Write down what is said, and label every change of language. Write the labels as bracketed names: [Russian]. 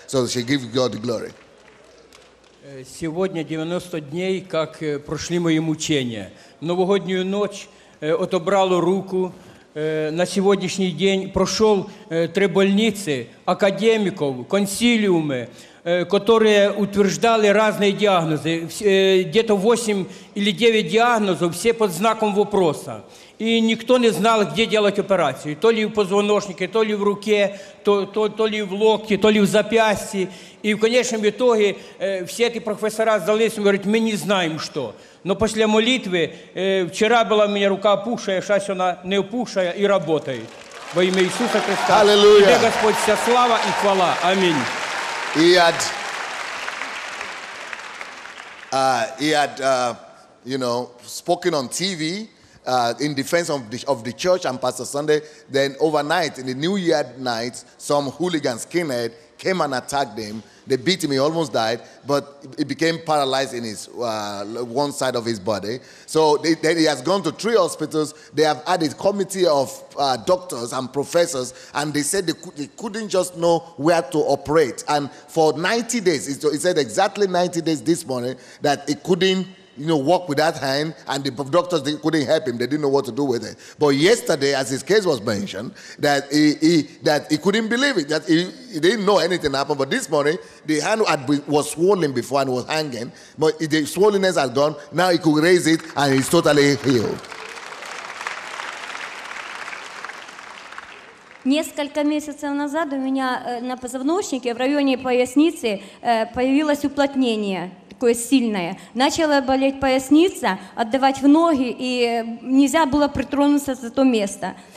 [English] So she gave God the glory. [Russian] Сегодня 90 дней, как прошли мои мучения. Новогоднюю ночь отобрало руку. На сегодняшний день прошел 3 больницы, академиков, консилиумы, которые утверждали разные диагнозы, где-то 8 или 9 диагнозов, все под знаком вопроса. И никто не знал, где делать операцию, то ли в позвоночнике, то ли в руке, то ли в локте, то ли в запястье. И в конечном итоге все эти профессора сдались и говорят, мы не знаем что. Но после молитвы, вчера была у меня рука опухшая, сейчас она не опухшая и работает. Во имя Иисуса Христа. Аллилуйя. Тебе, Господь, вся слава и хвала. Аминь. [English] He had spoken on TV in defense of the church and Pastor Sunday. Then overnight, in the New Year night, some hooligan skinhead came and attacked him. They beat him, he almost died, but he became paralyzed in his one side of his body. So he has gone to three hospitals. They have had a committee of doctors and professors, and they said they couldn't just know where to operate. And for 90 days, he said exactly 90 days this morning that he couldn't, you know, walk with that hand, and the doctors, they couldn't help him. They didn't know what to do with it. But yesterday, as his case was mentioned, that he couldn't believe it, that he didn't know anything happened. But this morning, the hand was swollen before and was hanging, but the swollenness had gone. Now he could raise it, and he's totally healed. [Russian] Несколько месяцев назад у меня на позвоночнике в районе поясницы появилось уплотнение. Такое сильное. Начала болеть поясница, отдавать в ноги, и нельзя было притронуться за то место.